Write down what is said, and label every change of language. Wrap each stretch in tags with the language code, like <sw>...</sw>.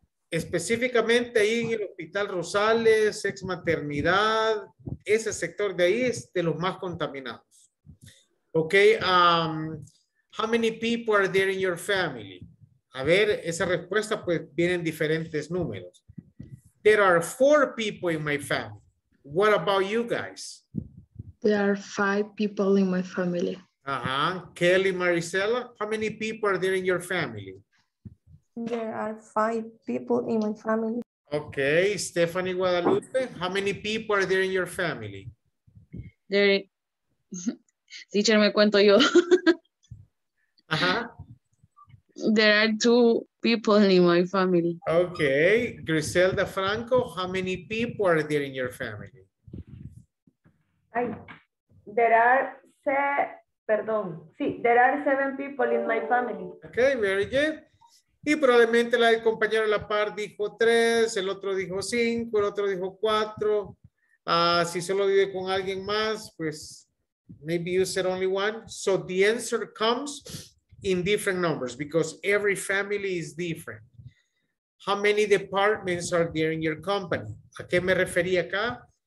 <es>Específicamente ahí en el Hospital Rosales, ex maternidad, ese sector de ahí es de los más contaminados.</es> <en>Okay, how many people are there in your family?</en> <es>A ver, esa respuesta pues vienen diferentes números.</es> <en>There are 4 people in my family. What about you guys? There are 5 people in my family. Uh-huh. Kelly, Maricela, how many people are there in your family? There are 5 people in my family. Okay, Stephanie Guadalupe, how many people are there in your family? There, teacher,</en> <es>me cuento yo.</es> <en>There are 2 people in my family. Okay, Griselda Franco, how many people are there in your family? There are 7 people in my family. Okay, very good.</en> <es>Y probablemente la compañera a la par dijo 3, el otro dijo 5, el otro dijo 4. Si solo vive con alguien más, pues</es> <en>maybe you said only one. So the answer comes in different numbers because every family is different. How many departments are there in your company?</en> <es>¿A qué me referí acá?</es>